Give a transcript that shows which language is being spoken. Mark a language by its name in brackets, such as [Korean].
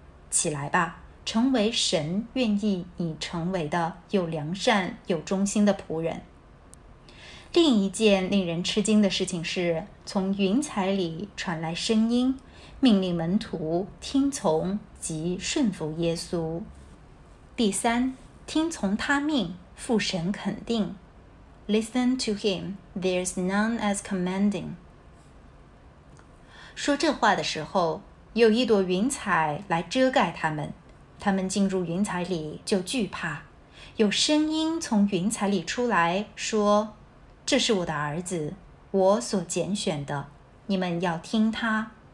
[Chinese] 起来吧，成为神愿意你成为的有良善、有忠心的仆人。另一件令人吃惊的事情是，从云彩里传来声音，命令门徒听从及顺服耶稣。第三，听从他命，父神肯定。 [English] Listen to him, there's none as commanding. [Chinese] 说这话的时候，有一朵云彩来遮盖他们，他们进入云彩里就惧怕。有声音从云彩里出来说，这是我的儿子，我所拣选的，你们要听他。